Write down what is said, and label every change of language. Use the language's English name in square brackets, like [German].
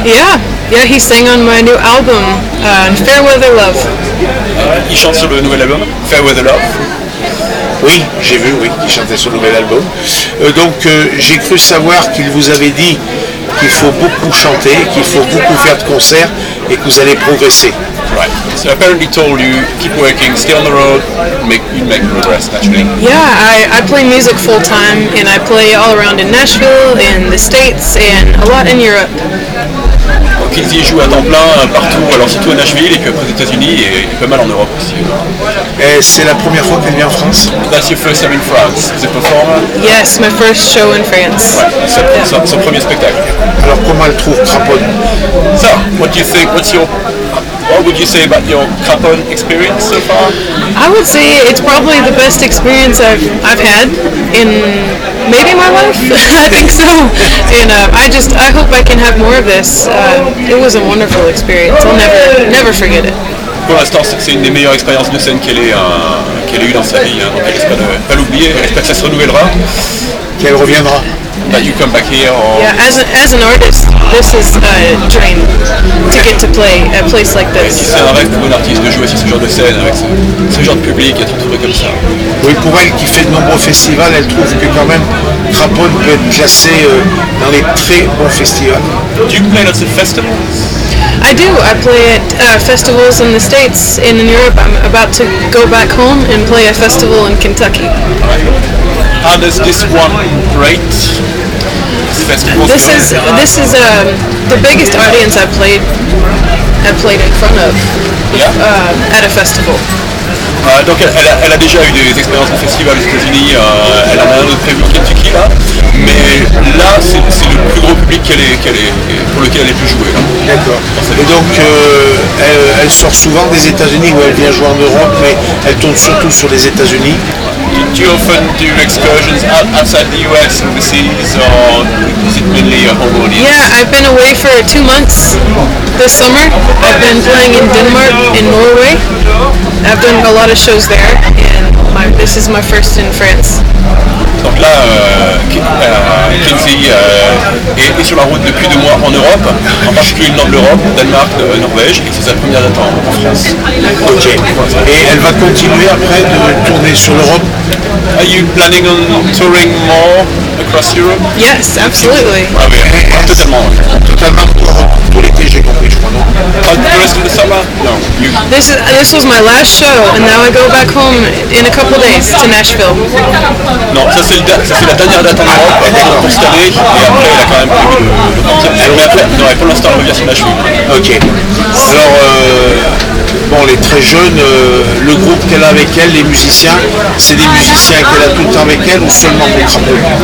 [English] Yeah, he sang on my new album, Fairweather Love. [French] Il chante sur le nouvel album, Fairweather Love. Oui, j'ai vu, oui, il chantait sur le nouvel album. J'ai cru savoir qu'il vous avait dit qu'il faut beaucoup chanter, qu'il faut beaucoup faire de concerts et que vous allez progresser. [English] Right. So apparently told you, keep working, stay on the road, you make progress naturally. Yeah, I play music full time and I play all around in Nashville, in the States and a lot in Europe. [French] Donc il y joue à temps plein partout, alors surtout à Nashville et puis après aux États-Unis et pas mal en Europe aussi. Et c'est la première fois qu'elle vient en France. [English] That's your first time in France as a performer. Yes, my first show in France. [French] Ouais, son premier spectacle. Alors comment elle trouve Craponne? [English] So, what do you think? What would you say about your Craponne experience so far? I would say it's probably the best experience I've had in maybe my life. I think so. And I hope I can have more of this. It was a wonderful experience. I'll never forget it. [French] Pour l'instant, c'est une des meilleures expériences de scène qu'elle ait eue dans sa vie. Donc, elle espère pas l'oublier. Elle espère que ça se renouvellera. Qu'elle reviendra. [English] That you come back here. Or... Yeah, as an artist, this is a dream to get to play at a place like this. [French] C'est un rêve pour un artiste de jouer sur ce genre de scène avec ce genre de public, être entouré comme ça. Oui, pour elle qui fait de nombreux festivals, elle trouve que quand même Craponne peut être classée dans les très bons festivals. [English] Do you play lots of festivals? I do. I play at festivals in the States and in Europe. I'm about to go back home and play a festival in Kentucky. How does this one rate? This is the biggest audience I've played in front of. Yeah. At a festival. [French] Donc elle a déjà eu des expériences au festival aux États-Unis. Elle en a un autre prévu au Kentucky là. Mais là, c'est le plus gros public pour lequel elle est plus jouée. D'accord. Et donc, elle sort souvent des États-Unis où elle vient jouer en Europe, mais elle tourne surtout sur les États-Unis. [English] Do you often do excursions outside the US, overseas, or is it mainly a home audience? Yeah, I've been away for 2 months this summer. I've been playing in Denmark, in Norway. I've done a lot of shows there, and this is my first in France. [French] Donc là, Kinsey est sur la route depuis 2 mois en Europe, en particulier le nord de l'Europe, Danemark, Norvège, et c'est sa première date en France. Ok. Et elle va continuer après de tourner sur l'Europe. [English] Are you planning on touring more across Europe? Yes, absolutely. [French] Ah oui, yes. Totalement. Totalement pour tout l'été, j'ai compris, je crois, non? [English] And the rest of the summer? No. This was my last show, and now I go back home in a couple days to Nashville. [French] Non, ça c'est la dernière date en Europe, pour cette année, et après elle a quand même prévu de partir. Non, et pour l'instant, elle revient sur Nashville. Ok. Alors, bon, elle est très jeune, le groupe qu'elle a avec elle, les musiciens, c'est des musiciens qu'elle a tout le temps avec elle ou seulement pour Craponne?